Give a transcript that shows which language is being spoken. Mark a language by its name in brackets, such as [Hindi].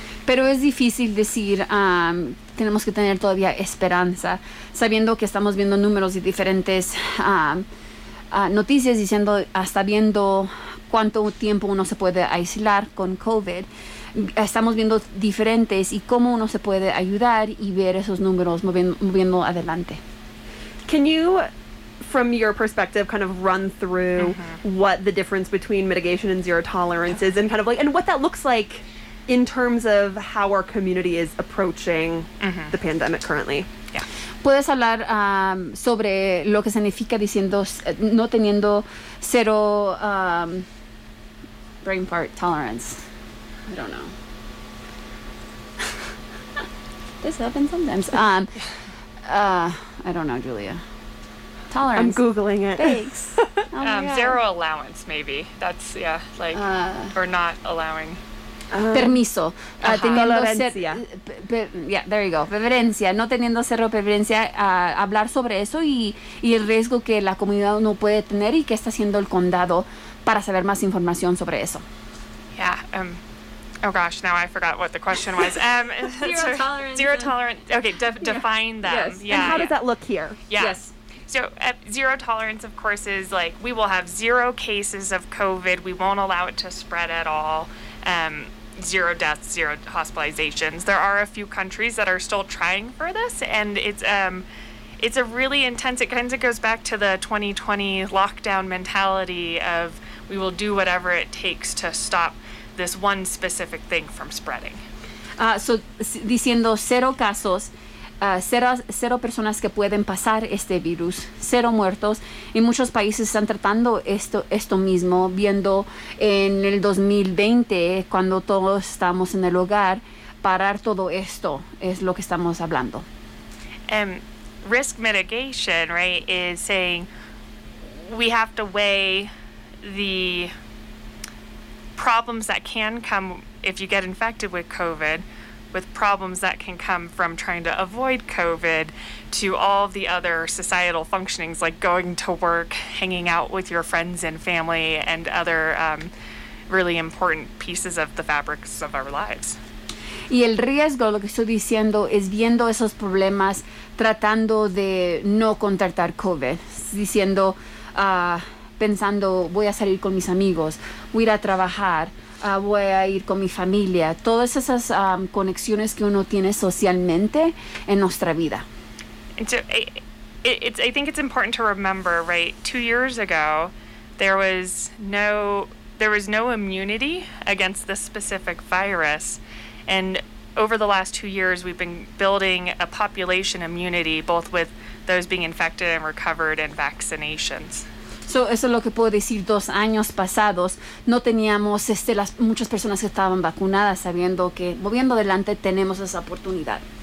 [Spanish] Pero es difícil decir, tenemos que tener todavía esperanza, sabiendo que estamos viendo números y diferentes noticias diciendo, hasta viendo cuánto tiempo uno se puede aislar con COVID. Estamos viendo diferentes y cómo uno se puede ayudar y ver esos números moviendo adelante. [English] Can you, from your perspective, kind of run through mm-hmm. what the difference between mitigation and zero tolerance is and kind of like, and what that looks like in terms of how our community is approaching mm-hmm. the pandemic currently? Yeah. [Spanish] ¿Puedes hablar sobre lo que significa diciendo no teniendo cero [English] brain fart [Spanish] tolerance? [English] I don't know. This happens sometimes. I don't know, Julia. Tolerance. I'm Googling it. Thanks. Oh my God. Zero allowance, maybe. That's, yeah, like, or not allowing. [Spanish] Permiso. Uh-huh. Teniendo tolerancia. [English] Yeah, there you go. Preferencia. [Spanish] No teniendo cero preferencia, hablar sobre eso y el riesgo que la comunidad no puede tener y qué está haciendo el condado para saber más información sobre eso. [English] Yeah, oh gosh, now I forgot what the question was. Zero tolerance. Okay, define them. Yes. Yeah. And how does that look here? Yeah. Yes. So zero tolerance, of course, is like we will have zero cases of COVID. We won't allow it to spread at all. Zero deaths, zero hospitalizations. There are a few countries that are still trying for this, and it's a really intense, it kind of goes back to the 2020 lockdown mentality of we will do whatever it takes to stop this one specific thing from spreading. [Spanish] So, diciendo cero casos, cero personas que pueden pasar este virus, cero muertos, y muchos países están tratando esto mismo, viendo en el 2020, cuando todos estamos en el hogar, parar todo esto es lo que estamos hablando. [English] Risk mitigation, right, is saying we have to weigh the problems that can come if you get infected with COVID with problems that can come from trying to avoid COVID to all the other societal functionings like going to work, hanging out with your friends and family and other really important pieces of the fabrics of our lives. [Spanish] Y el riesgo, lo que estoy diciendo, es viendo esos problemas tratando de no contratar COVID, diciendo pensando, voy a salir con mis amigos, voy a ir a trabajar, voy a ir con mi familia. Todas esas conexiones que uno tiene socialmente en nuestra vida. [English] And so I think it's important to remember, right, 2 years ago, there was no immunity against this specific virus. And over the last 2 years, we've been building a population immunity, both with those being infected and recovered and vaccinations. [Spanish] So, eso es lo que puedo decir. 2 años pasados no teníamos muchas personas que estaban vacunadas, sabiendo que moviendo adelante tenemos esa oportunidad.